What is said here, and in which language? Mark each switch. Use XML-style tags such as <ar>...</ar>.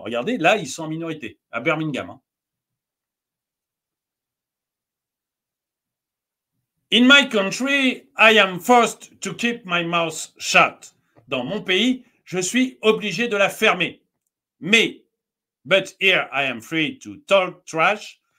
<fr>Regardez, là, ils sont en minorité, à Birmingham. Hein.</fr> <en>In my country, I am forced to keep my mouth shut.</en> <fr>Dans mon pays, je suis obligé de la fermer.</fr> <en>But here I am free to talk trash.</en>